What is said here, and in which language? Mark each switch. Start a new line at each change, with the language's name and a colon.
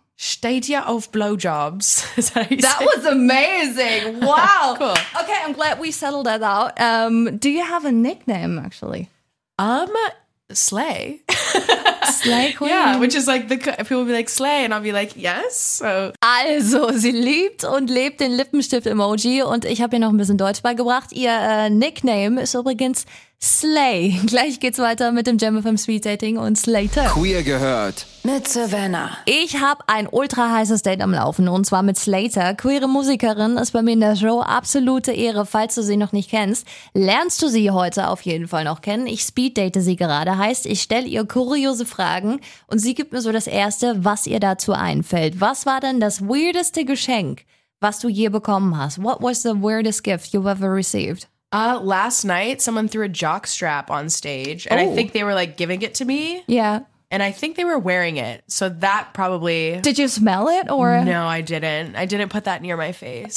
German: Steht ihr auf Blowjobs?
English: Is that how you say it? Was amazing. Wow. Cool. Okay, I'm glad we settled that out. Do you have a nickname actually? Slay. Slay Queen. Yeah, which is like, people will be like, Slay, and I'll be like, yes. So.
German: Also, sie liebt und lebt den Lippenstift-Emoji und ich habe ihr noch ein bisschen Deutsch beigebracht. Ihr Nickname ist übrigens Slay. Gleich geht's weiter mit dem Jam FM Speed Dating und Slater. Queer gehört. Mit Savannah. Ich habe ein ultra heißes Date am Laufen und zwar mit Slater. Queere Musikerin ist bei mir in der Show absolute Ehre, falls du sie noch nicht kennst. Lernst du sie heute auf jeden Fall noch kennen. Ich speeddate sie gerade. Heißt, ich stelle ihr kuriose Fragen und sie gibt mir so das Erste, was ihr dazu einfällt. Was war denn das weirdeste Geschenk, was du je bekommen hast?
English: What was the weirdest gift you ever received? Last night, someone threw a jock strap on stage and I think they were like giving it to me. Yeah. And I think they were wearing it. So that probably... Did you smell it or... No, I didn't. I didn't put that near my face.